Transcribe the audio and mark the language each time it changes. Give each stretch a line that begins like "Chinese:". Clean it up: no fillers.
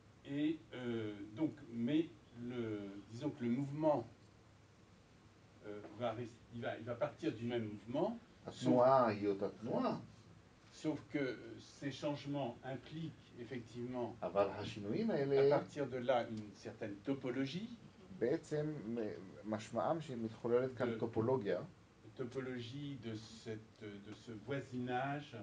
French: Et donc, mais le, disons que le mouvement va partir du même mouvement. À noir, il y a autant de noir. Sauf que ces changements impliquent effectivement,
Hebrew: אבל השינויים האלה,
French: à partir de là, une certaine topologie.
Hebrew: בעצם, משמעם שמתחוללת כאן טופולוגיה.
French: Topologie de ce voisinage.